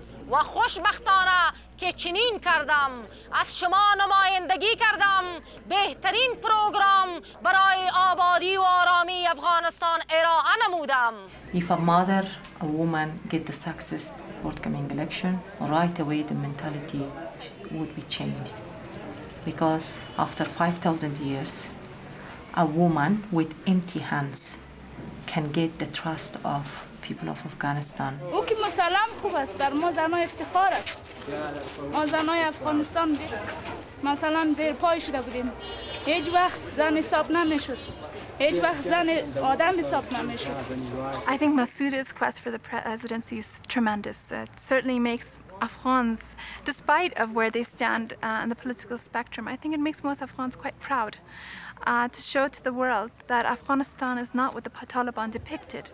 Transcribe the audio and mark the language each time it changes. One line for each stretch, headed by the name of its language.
Persian: و خوشبختانه که چنین کردم، از شما نمایندگی کردم، بهترین پروگرام برای آبادی و آرامی افغانستان ارائه نمودم.
English: If a mother, a woman get the success forthcoming election, right away the mentality would be changed. Because after 5,000 years, a woman with empty hands can get the trust of people of Afghanistan.
Persian: او که مسلم خوب است بر ما زنای افتخار است. ما زنای افغانستان مثلا زیر پای شده بودیم. هیچ وقت زن حساب نمیشد. هیچ وقت زن آدم حساب نمیشد.
English: I think Massouda's quest for the presidency is tremendous. It certainly makes Afghans, despite of where they stand on the political spectrum, I think it makes most Afghans quite proud. To show to the world that Afghanistan is not what the Taliban depicted.